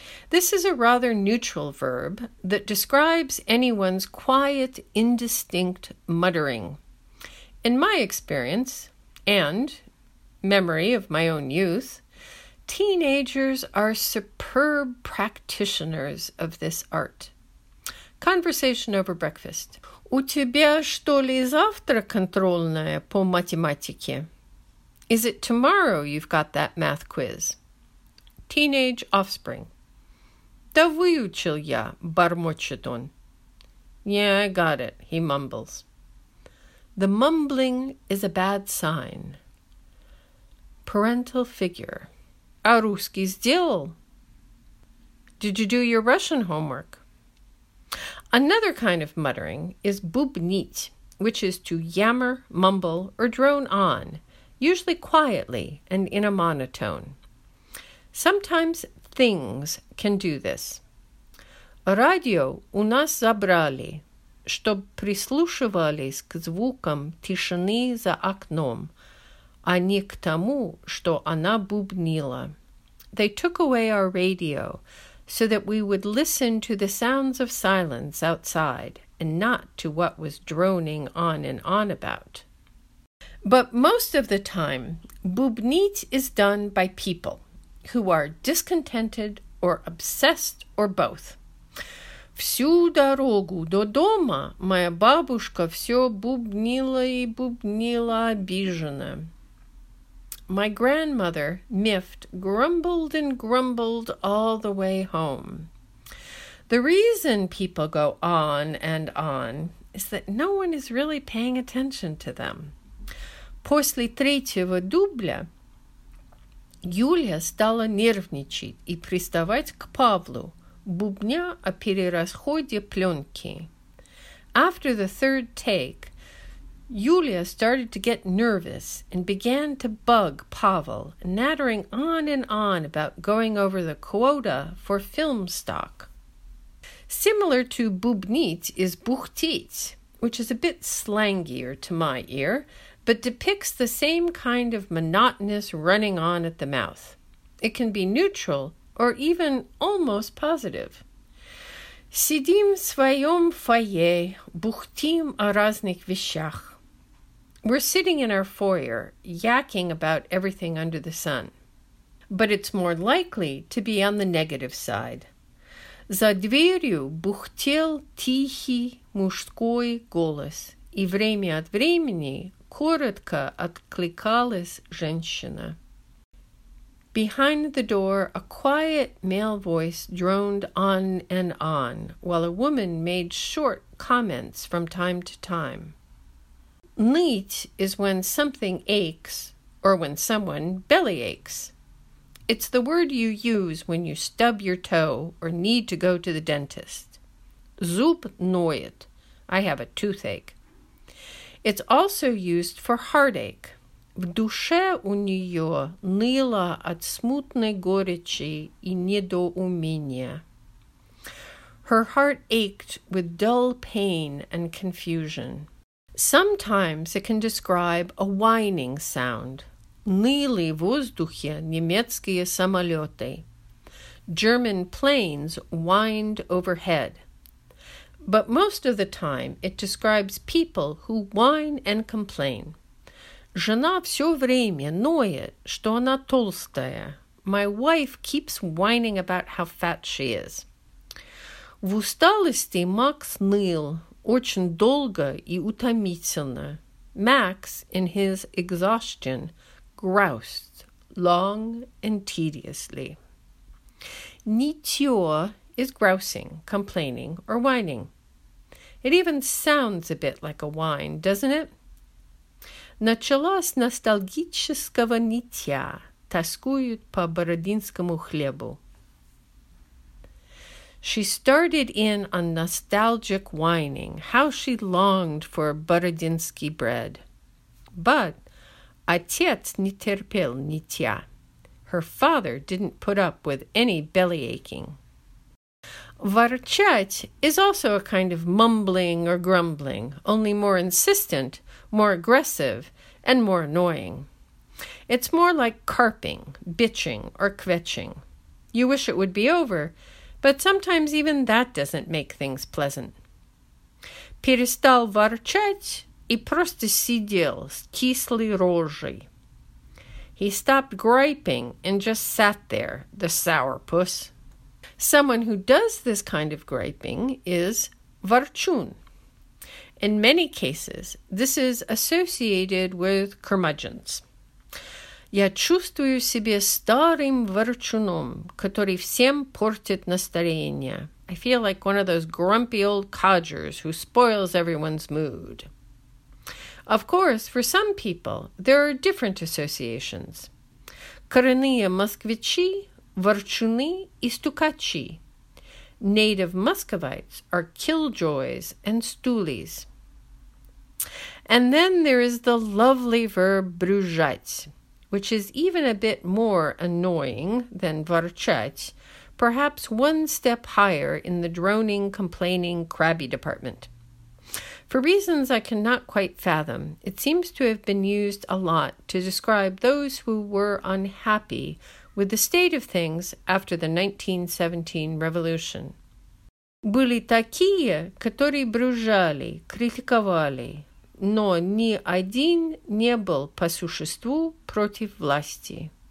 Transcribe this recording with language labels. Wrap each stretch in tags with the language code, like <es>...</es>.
<en>This is a rather neutral verb that describes anyone's quiet, indistinct muttering. In my experience and memory of my own youth, teenagers are superb practitioners of this art. Conversation over breakfast.</en> <ru>У тебя что ли завтра контрольная по математике?</ru> <en>Is it tomorrow you've got that math quiz? Teenage offspring.</en> <ru>Да выучил я, бормочет он.</ru> <en>Yeah, I got it, he mumbles. The mumbling is a bad sign. Parental figure.</en> <ru>А русский сделал?</ru> <en>Did you do your Russian homework? Another kind of muttering is bubnit, which is to yammer, mumble, or drone on, usually quietly and in a monotone. Sometimes things can do this.</en> <ru>Радио у нас забрали, чтоб прислушивались к звукам тишины за окном, а не к тому, что она бубнила.</ru> <en>They took away our radio so that we would listen to the sounds of silence outside and not to what was droning on and on about. But most of the time, bubnit is done by people who are discontented or obsessed or both.</en> <ru>Всю дорогу до дома моя бабушка все бубнила и бубнила обижена.</ru> <en>My grandmother, Mift, grumbled and grumbled all the way home. The reason people go on and on is that no one is really paying attention to them.</en> <ru>После третьего дубля Юля стала нервничать и приставать к Павлу, бубня о перерасходе пленки.</ru> <en>After the third take, Yulia started to get nervous and began to bug Pavel, nattering on and on about going over the quota for film stock. Similar to bubnit is buchtit, which is a bit slangier to my ear, but depicts the same kind of monotonous running on at the mouth. It can be neutral or even almost positive.</en> <ru>Сидим в своем фойе, бухтим о разных вещах.</ru> <en>We're sitting in our foyer, yakking about everything under the sun. But it's more likely to be on the negative side.</en> <ru>За дверью бухтел тихий мужской голос, и время от времени коротко откликалась женщина.</ru> <en>Behind the door, a quiet male voice droned on and on, while a woman made short comments from time to time. Ныть is when something aches or when someone belly aches. It's the word you use when you stub your toe or need to go to the dentist.</en> <ru>Зуб ноет.</ru> <en>I have a toothache. It's also used for heartache.</en> <ru>В душе у нее ныло от смутной горечи и недоумения.</ru> <en>Her heart ached with dull pain and confusion. Sometimes it can describe a whining sound.</en> <ru>Ныли в воздухе немецкие самолеты.</ru> <en>German planes whined overhead. But most of the time, it describes people who whine and complain.</en> <ru>Жена все время ноет, что она толстая.</ru> <en>My wife keeps whining about how fat she is.</en> <ru>В усталости Макс ныл очень долго и утомительно.</ru> <en>Max, in his exhaustion, groused long and tediously. Нытьё is grousing, complaining, or whining. It even sounds a bit like a whine, doesn't it?</en> <ru>Началось ностальгического нытья. Тоскуют по бородинскому хлебу.</ru> <en>She started in on nostalgic whining, how she longed for Бородинский bread. But</en> <ru>отец не терпел нитья.</ru> <en>Her father didn't put up with any belly aching. Ворчать is also a kind of mumbling or grumbling, only more insistent, more aggressive, and more annoying. It's more like carping, bitching, or kvetching. You wish it would be over, but sometimes even that doesn't make things pleasant.</en> <ru>Перестал ворчать и просто сидел с кислой рожей.</ru> <en>He stopped griping and just sat there, the sourpuss. Someone who does this kind of griping is ворчун. In many cases, this is associated with curmudgeons.</en> <ru>Я чувствую себя старым ворчуном, который всем портит настроение.</ru> <en>I feel like one of those grumpy old codgers who spoils everyone's mood. Of course, for some people, there are different associations.</en> <ru>Коренные москвичи, ворчуны и стукачи.</ru> <en>Native Muscovites are killjoys and стулис. And then there is the lovely verb брюжать, which is even a bit more annoying than ворчать, perhaps one step higher in the droning, complaining, crabby department. For reasons I cannot quite fathom, it seems to have been used a lot to describe those who were unhappy with the state of things after the 1917 revolution.</en> <ru>Были такие, которые брюжали, критиковали. Но ни один не был по существу против власти.</ru>